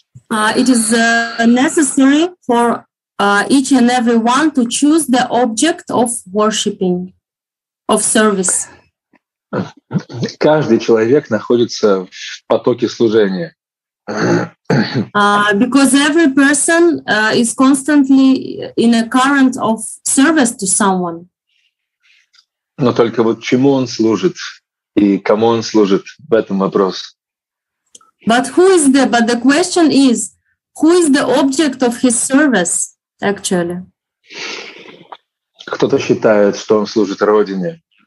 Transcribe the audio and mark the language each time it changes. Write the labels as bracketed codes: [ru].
[en] It is necessary for each and every one to choose the object of worshiping, of service. [ru] Каждый человек находится в потоке служения. [en] Because every person is constantly in a current of service to someone. [ru] Но только вот чему он служит и кому он служит, в этом вопрос. [en] But the question is, who is the object of his service, actually? [ru] Кто-то считает, что он служит Родине.